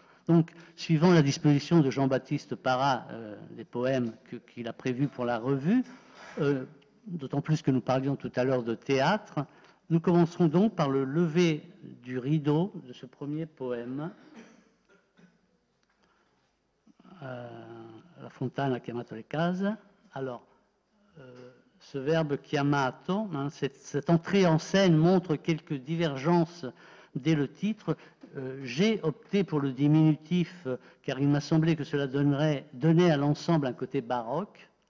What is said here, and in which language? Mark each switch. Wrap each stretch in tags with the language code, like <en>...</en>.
<fr>Donc, suivant la disposition de Jean-Baptiste Parra, les poèmes qu'il a prévus pour la revue, d'autant plus que nous parlions tout à l'heure de théâtre, nous commencerons donc par le lever du rideau de ce premier poème.</fr> <it>La fontana ha chiamato le case.</it> <fr>Alors, ce verbe chiamato, hein, cette entrée en scène montre quelques divergences dès le titre. J'ai opté pour le diminutif car il m'a semblé que cela donnait à l'ensemble un côté baroque.</fr>